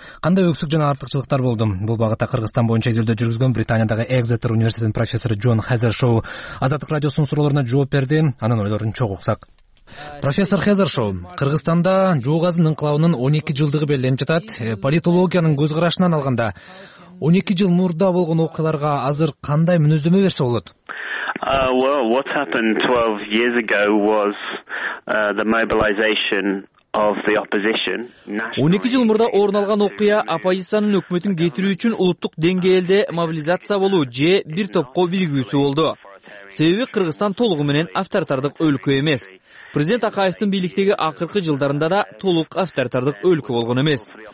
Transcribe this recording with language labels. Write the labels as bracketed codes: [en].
[ky] Кандай өксүк жана артыкчылыктар болду? Бул багытта Кыргызстан боюнча изилдөө жүргүзгөн Британиядагы Exeter университетинин профессору Джон Хезер Шоу Азаттык радиосунун суроолоруна жооп берди. Анын ойлорун чогуу уксак. Профессор Хезер Шоу, Кыргызстанда Жоогазынын инкылабынын 12 жылдыгы белгиленип жатат. Политологиянын көз карашынан алганда 12 жыл мурда болгон окуяларга азыр кандай мүнөздөмө берсе болот? [en] What happened 12 years ago was the mobilization of the opposition. [ky] 12 жыл мурда орун алган окуя оппозициянын өкмөтүн кетирүү үчүн улуттук деңгээлде мобилизация болуу же бир топко биригүүсү болду. Себеби Кыргызстан толугу менен авторитардык өлкө эмес. Президент Акаевдин бийликтеги акыркы жылдарында да толук авторитардык өлкө болгон эмес.